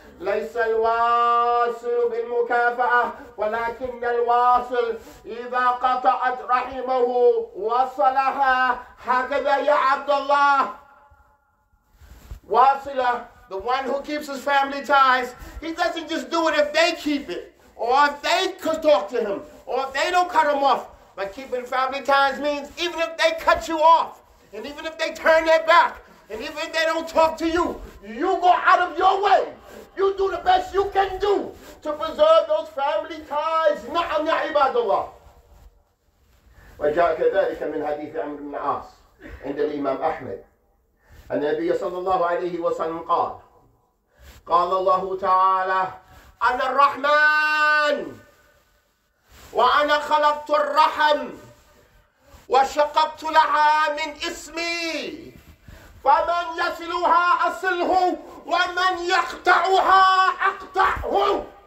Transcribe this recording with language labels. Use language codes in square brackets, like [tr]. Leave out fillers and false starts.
[ar] ليس الواصل بالمكافأة ولكن الواصل إذا قطعت رحمه وصلها. هكذا يا عبد الله. [en] واصلة, the one who keeps his family ties, he doesn't just do it if they keep it or if they could talk to him or if they don't cut him off. But keeping family ties means even if they cut you off and even if they turn their back and even if they don't talk to you, you go out of your way. You do the best you can do to preserve those family ties. [ar] نعم يا عباد الله. وجاء كذلك من حديث عمرو بن العاص عند الإمام أحمد أن النبي صلى الله عليه وسلم قال قال الله تعالى أنا الرحمن وأنا خلقت الرحم وشققت لها من اسمي فمن يصلها أصله وَمَنْ يَقْتَعُهَا أَقْتَعْهُ.